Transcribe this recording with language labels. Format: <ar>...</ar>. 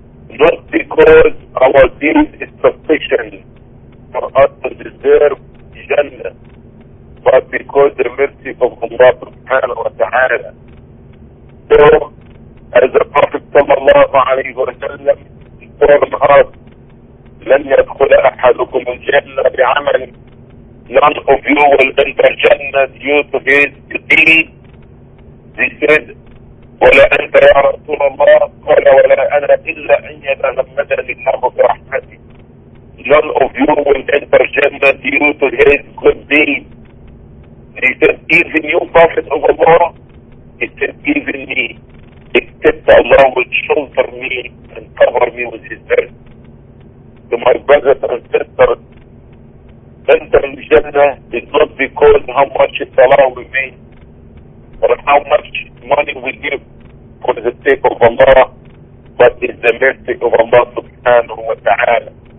<en>Not because our deed is sufficient for us to deserve Jannah, but because the mercy of Allah subhanahu wa ta'ala. So, as the Prophet sallallahu alayhi wa sallam informed us,</en> <ar>لن يدخل أحدكم الجنة بعمل,</ar> <en>none of you will enter Jannah due to his deed. He said,</en> <ar>ولا أنت يا رسول الله, قال ولا أنا إلا أن يتغمدني الله برحمته.</ar> <en>None of you will enter Jannah due to his good deed. He said, even you, Prophet of Allah. He said, even me, except Allah will shelter me and cover me with his mercy. To my brothers and sisters, entering Jannah is not because how much salah we make or how much money we give for the sake of Allah, but is the mercy of Allah subhanahu wa ta'ala.</en>